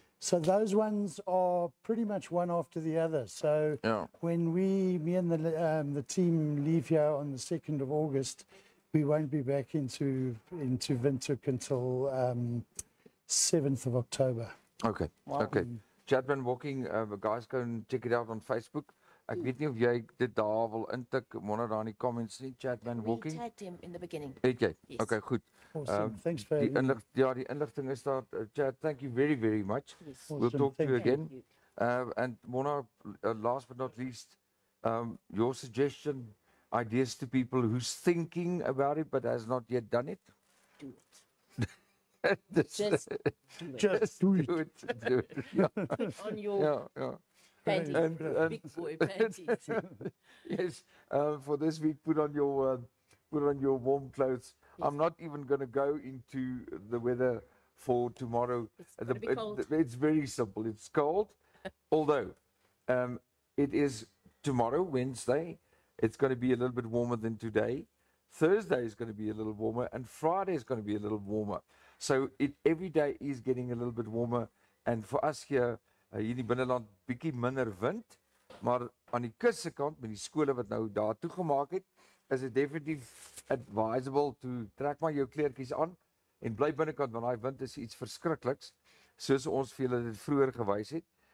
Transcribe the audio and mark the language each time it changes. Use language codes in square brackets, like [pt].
[en] So those ones are pretty much one after the other. So when me and the team leave here on the 2nd of August, we won't be back into Windhoek until 7th of October. Okay. Chadmanwalking, guys, go and check it out on Facebook. [af] Ek weet nie of jy dit daar wil intik, Mona, daar in die comments nie, Chadmanwalking. [en] We tagged him in the beginning. [af] Het jy? [en] Yes. Okay, [af] goed. [en] Awesome, thanks for having me. [af] Ja, die inlichting is daar. [en] Chad, thank you very, very much. Yes. Awesome. We'll talk to you again. And Mona, last but not least, your suggestion, ideas to people who's thinking about it but has not yet done it? Do it. Just do it. Yeah. On your panties. Yes, for this week, put on your warm clothes. Yes. I'm not even going to go into the weather for tomorrow. It's very simple. It's cold, although it is tomorrow, Wednesday. It's going to be a little bit warmer than today. Thursday is going to be a little warmer, and Friday is going to be a little warmer. So every day is getting a little bit warmer, and for us here, [af] hier in die binneland, bietjie minder wind, maar aan die kusse kant, met die skole wat nou daar toegemaak het, is it definitief advisable to trek maar jou kleertjies aan, en bly binnenkant, want die wind is iets verskrikliks, soos ons vir julle dit vroeger gewys het,